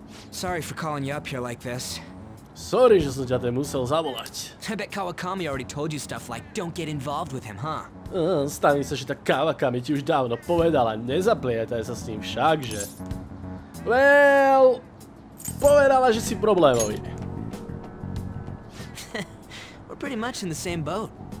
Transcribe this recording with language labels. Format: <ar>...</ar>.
<en>Sorry for calling you up here like this.</en> <sk>Sorry, že som ťa tam musel zavolať.</sk> <en>I bet Kawakami already told you stuff like don't get involved with him, huh?</en> <sk>Stane sa, že tá Kawakami ti už dávno povedala, nezaplietaj sa s ním však, že? Well, povedala, že si problémový.</sk> <en>We're pretty much in the same boat.</en>